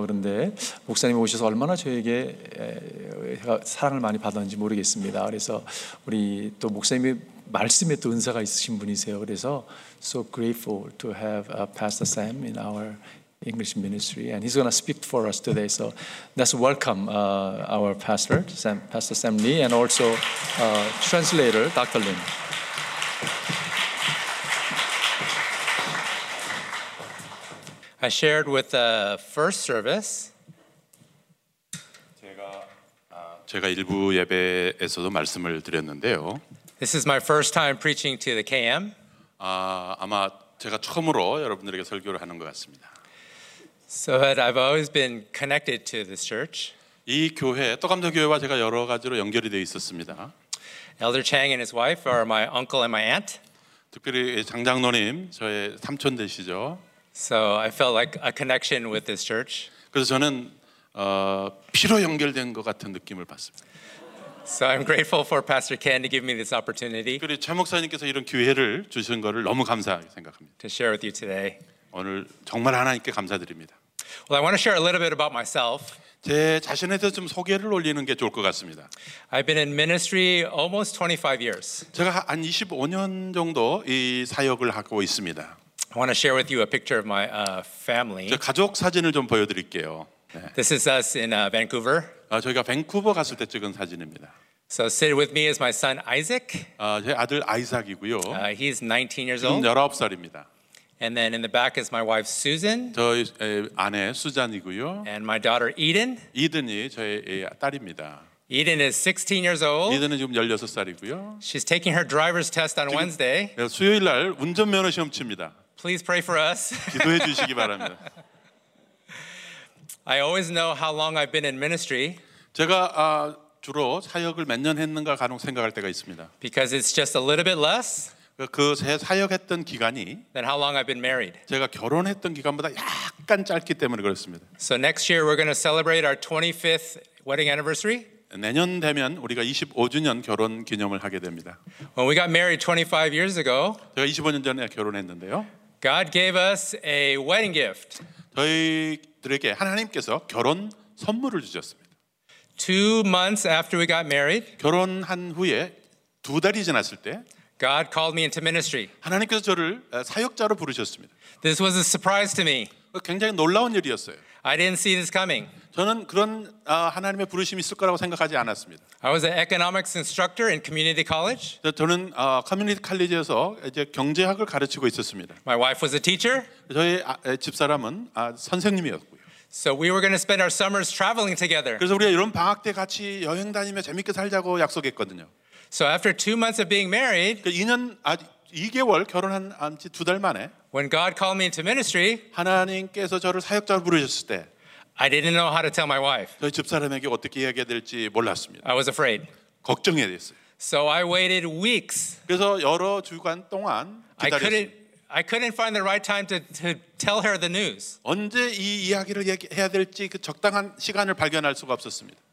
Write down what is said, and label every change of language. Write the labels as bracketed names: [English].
[Korean] 그런데 목사님이 오셔서 얼마나 저에게 사랑을 많이 받았는지 모르겠습니다. 그래서 우리 또 목사님이 말씀에 또 은사가 있으신 분이세요. [English] 그래서 so grateful to have Pastor Sam in our English ministry, and he's going to speak for us today. So let's welcome our pastor, Pastor Sam Lee, and also translator Dr. Lim. I shared with the first service. [Korean] 제가 일부 예배에서도 말씀을 드렸는데요. [English] This is my first time preaching to the KM. [Korean] 아마 제가 처음으로 여러분들에게 설교를 하는 것 같습니다. [English] So I've always been connected to this church. [Korean] 이 교회, 떠감도 교회와 제가 여러 가지로 연결이 되어 있었습니다. [English] Elder Chang and his wife are my uncle and my aunt. [Korean] 특별히 장 장로님, 저의 삼촌 되시죠. [English] So I felt like a connection with this church. [Korean] 그래서 저는 피로 연결된 것 같은 느낌을 받습니다. [English] So I'm grateful for Pastor Ken to give me this opportunity. [Korean] 그리고 최 목사님께서 이런 기회를 주신 것을 너무 감사하게 생각합니다. [English] To share with you today. [Korean] 오늘 정말 하나님께 감사드립니다. [English] Well, I want to share a little bit about myself. [Korean] 제 자신에 대해서 좀 소개를 올리는 게 좋을 것 같습니다. [English] I've been in ministry almost 25 years. [Korean] 제가 한 25년 정도 이 사역을 하고 있습니다. [English] I want to share with you a picture of my family. [Korean] 제 가족 사진을 좀 보여드릴게요. [English] 네. This is us in Vancouver. [Korean] 저희가 밴쿠버 갔을 때 찍은 사진입니다. [English] So sit with me is my son Isaac. [Korean] 제 아들 아이삭이고요. [English] He's 19 years old. [Korean] 지금 19살입니다. [English] And then in the back is my wife Susan. [Korean] 저희 아내 수잔이고요. [English] And my daughter Eden. [Korean] 이든이 저희 딸입니다. [English] Eden is 16 years old. [Korean] 이든은 지금 16살이고요. [English] She's taking her driver's test on Wednesday. [Korean] 수요일 날 운전면허 시험 칩니다. [English] Please pray for us. [Korean] 기도해 주시기 바랍니다. [English] I always know how long I've been in ministry. [Korean] 제가 주로 사역을 몇 년 했는가 간혹 생각할 때가 있습니다. [English] Because it's just a little bit less. [Korean] 그 제 사역했던 기간이 [English] Then how long I've been married. [Korean] 제가 결혼했던 기간보다 약간 짧기 때문에 그렇습니다. [English] So next year we're going to celebrate our 25th wedding anniversary. [Korean] 내년 되면 우리가 25주년 결혼 기념을 하게 됩니다. [English] When we got married 25 years ago, [Korean] 제가 25년 전에 결혼했는데요. [English] God gave us a wedding gift. [Korean] 저희들에게 하나님께서 결혼 선물을 주셨습니다. [English] Two months after we got married, [Korean] 결혼한 후에 두 달이 지났을 때 [English] God called me into ministry. [Korean] 하나님께서 저를 사역자로 부르셨습니다. [English] This was a surprise to me. [Korean] 굉장히 놀라운 일이었어요. [English] I didn't see this coming. [Korean] 저는 그런 하나님의 부르심이 있을 거라고 생각하지 않았습니다. [English] I was an economics instructor in community college. [Korean] 저는 커뮤니티 칼리지에서 이제 경제학을 가르치고 있었습니다. [English] My wife was a teacher. [Korean] 저희 집사람은 선생님이었고요. [English] So we were going to spend our summers traveling together. [Korean] 그래서 우리가 이런 방학 때 같이 여행 다니며 재밌게 살자고 약속했거든요. [English] So after 2 months of being married, [Korean] 2개월 결혼한 지 두 달 만에, [English] when God called me into ministry, [Korean] 하나님께서 저를 사역자로 부르셨을 때, [English] I didn't know how to tell my wife. [Korean] 저희 집사람에게 어떻게 이야기해야 될지 몰랐습니다. [English] I was afraid. [Korean] 걱정이 됐어요. [English] So I waited weeks. [Korean] 그래서 여러 주간 동안 기다렸습니다. [English] I couldn't find the right time to tell her the news. [Korean] 언제 이 이야기를 해야 될지 그 적당한 시간을 발견할 수가 없었습니다.